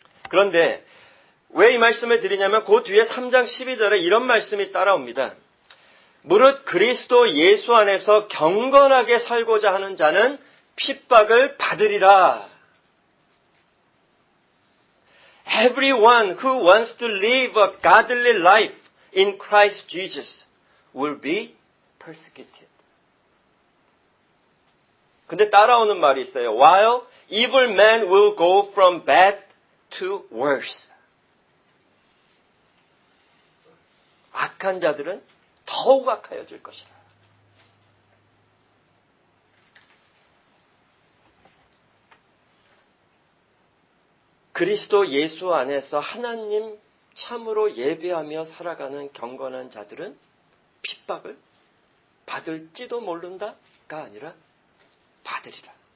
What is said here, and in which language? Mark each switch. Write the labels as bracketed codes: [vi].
[ko] 그런데 왜 이 말씀을 드리냐면 그 뒤에 3장 12절에 이런 말씀이 따라옵니다. 무릇 그리스도 예수 안에서 경건하게 살고자 하는 자는 핍박을 받으리라. [en] Everyone who wants to live a godly life in Christ Jesus will be persecuted. [ko] 근데 따라오는 말이 있어요. [en] While evil men will go from bad to worse. [ko] 악한 자들은 더욱 악하여질 것이다. 그리스도 예수 안에서 하나님 참으로 예배하며 살아가는 경건한 자들은 핍박을 받을지도 모른다가 아니라 받으리라.